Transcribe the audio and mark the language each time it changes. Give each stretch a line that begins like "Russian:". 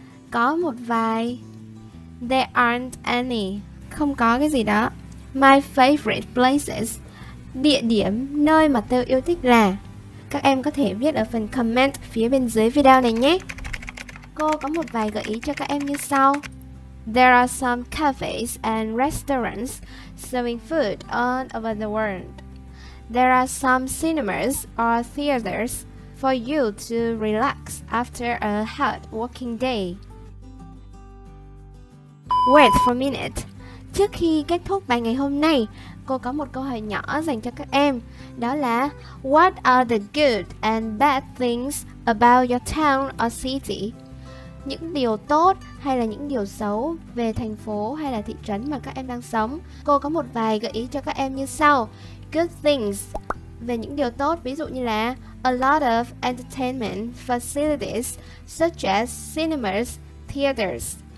Vietnamese: Có một vài.
English: There aren't any.
Vietnamese: Không có cái gì đó.
English: My favorite places.
Vietnamese: Địa điểm, nơi mà tôi yêu thích là. Các em có thể viết ở phần comment phía bên dưới video này nhé. Cô có một vài gợi ý cho các em như sau.
English: There are some cafes and restaurants serving food all over the world. There are some cinemas or theaters for you to relax after a hard working day. Wait for a minute.
Vietnamese: Trước khi kết thúc bài ngày hôm nay, cô có một câu hỏi nhỏ dành cho các em. Đó là
English: what are the good and bad things about your town or city?
Vietnamese: Những điều tốt hay là những điều xấu về thành phố hay là thị trấn mà các em đang sống? Cô có một vài gợi ý cho các em như sau.
English: Good things.
Vietnamese: Về những điều tốt, ví dụ như là
English: a lot of entertainment facilities such as cinemas, theaters.